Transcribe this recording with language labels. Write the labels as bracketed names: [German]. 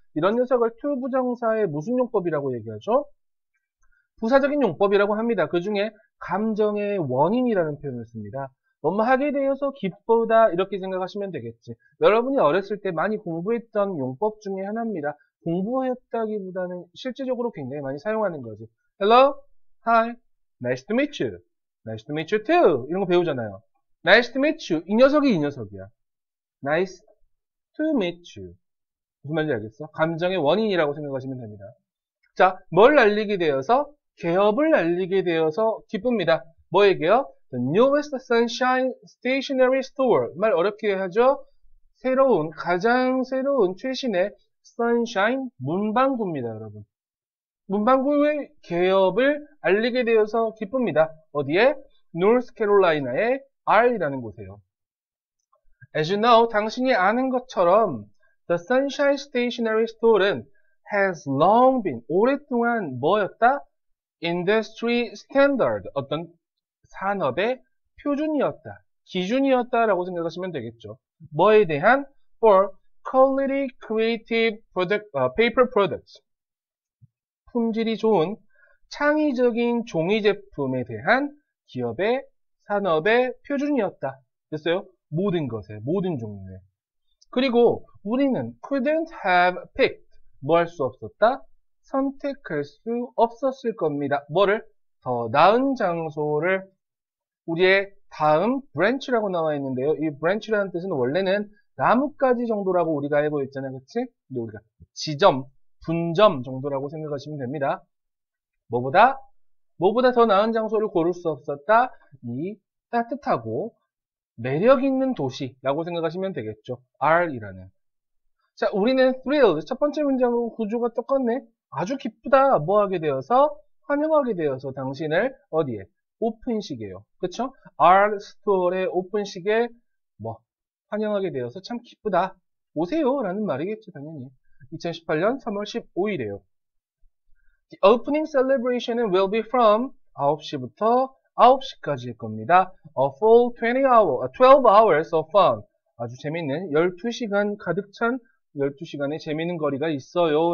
[Korean] 이런 녀석을 to 부정사의 무슨 용법이라고 얘기하죠? 부사적인 용법이라고 합니다. 그 중에 감정의 원인이라는 표현을 씁니다. 뭐뭐 하게 되어서 기쁘다 이렇게 생각하시면 되겠지. 여러분이 어렸을 때 많이 공부했던 용법 중에 하나입니다. 공부했다기보다는 실제적으로 굉장히 많이 사용하는 거지. [English] Hello, Hi, Nice to meet you. Nice to meet you too. [Korean] 이런 거 배우잖아요. [English] Nice to meet you. [Korean] 이 녀석이 이 녀석이야. [English] Nice to meet you. [Korean] 무슨 말인지 알겠어? 감정의 원인이라고 생각하시면 됩니다. 자, 뭘 날리게 되어서? 개업을 날리게 되어서 기쁩니다. 뭐에게요? [English] The newest sunshine stationery store. [Korean] 말 어렵게 하죠? 새로운, 가장 새로운 최신의 sunshine 문방구입니다, 여러분. 문방구의 개업을 알리게 되어서 기쁩니다. 어디에? North Carolina의 R이라는 곳에요. [English] As you know, [Korean] 당신이 아는 것처럼 [English] The sunshine stationery store은 has long been, [Korean] 오랫동안 뭐였다? [English] Industry standard, [Korean] 어떤 산업의 표준이었다, 기준이었다라고 생각하시면 되겠죠. 뭐에 대한? [English] For quality creative product, paper products. [Korean] 품질이 좋은 창의적인 종이 제품에 대한 기업의 산업의 표준이었다. 됐어요? 모든 것에, 모든 종류에. 그리고 우리는 [English] couldn't have picked, [Korean] 뭐할수 없었다? 선택할 수 없었을 겁니다. 뭐를? 더 나은 장소를 우리의 다음 브랜치라고 나와 있는데요. 이 브랜치라는 뜻은 원래는 나뭇가지 정도라고 우리가 알고 있잖아요. 그치? 근데 우리가 지점, 분점 정도라고 생각하시면 됩니다. 뭐보다? 뭐보다 더 나은 장소를 고를 수 없었다? 이 따뜻하고 매력 있는 도시라고 생각하시면 되겠죠. R이라는. 자, 우리는 thrilled. 첫 번째 문장은 구조가 똑같네. 아주 기쁘다. 뭐 하게 되어서? 환영하게 되어서 당신을 어디에? 오픈식이에요. 그쵸? R 스토어의 오픈식에 뭐? 환영하게 되어서 참 기쁘다. 오세요. 라는 말이겠죠. 당연히. 2018년 3월 15일에요. [English] The opening celebration will be from [Korean] 9시부터 9시까지일 겁니다. [English] A full 12 hours of fun. [Korean] 아주 재밌는 12시간 가득 찬 12시간의 재밌는 거리가 있어요.